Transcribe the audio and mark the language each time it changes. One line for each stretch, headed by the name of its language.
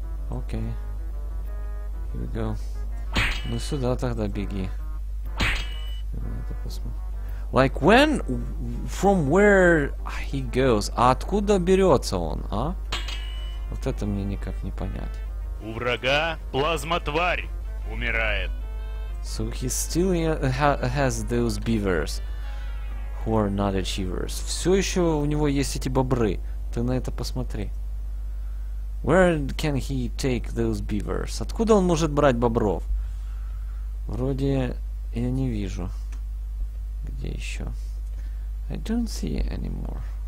Russian: Окей.
English: Here we go.
Russian: Ну сюда тогда беги.
English: Like when? From where he goes?
Russian: А откуда берется он, а? Вот это мне никак не понять. У врага плазма-тварь умирает.
English: So he still has those beavers who are not achievers.
Russian: Все еще у него есть эти бобры. Ты на это посмотри.
English: Where can he take those beavers?
Russian: Откуда он может брать бобров? Вроде я не вижу. Где еще?
English: I don't see anymore.